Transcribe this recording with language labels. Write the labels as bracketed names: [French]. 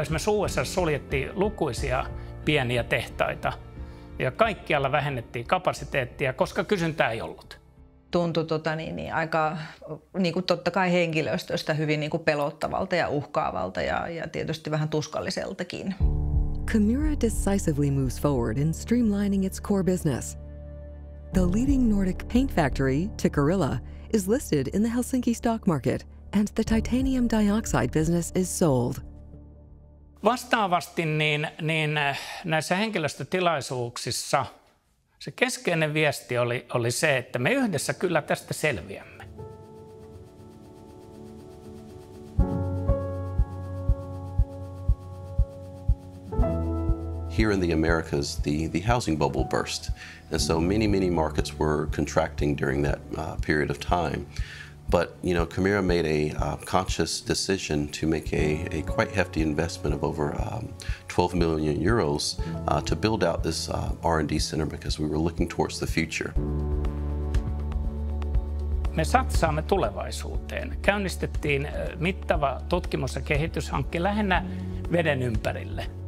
[Finnish] Esimerkiksi USA suljettiin lukuisia pieniä tehtaita ja kaikkialla vähennettiin kapasiteettia, koska kysyntää ei ollut. Tuntui aika niin kuin totta kai henkilöstöstä hyvin niin kuin pelottavalta ja uhkaavalta ja tietysti vähän tuskalliseltakin. [English] Kemira decisively moves forward in streamlining its core business. The leading Nordic paint factory, Tikkurila, is listed in the Helsinki stock market and the titanium dioxide business is sold. [Finnish] Vastaavasti niin näissä henkilöstötilaisuuksissa se keskeinen viesti oli se, että me yhdessä kyllä tästä selviämme. [English] Here in the Americas, the housing bubble burst, and so many, many markets were contracting during that period of time. But, you know, Kemira made a conscious decision to make a quite hefty investment of over 12 million euros to build out this R&D center because we were looking towards the future. [Finnish] Me satsaamme tulevaisuuteen. Käynnistettiin mittava tutkimus- ja kehityshankke lähinnä veden ympärille.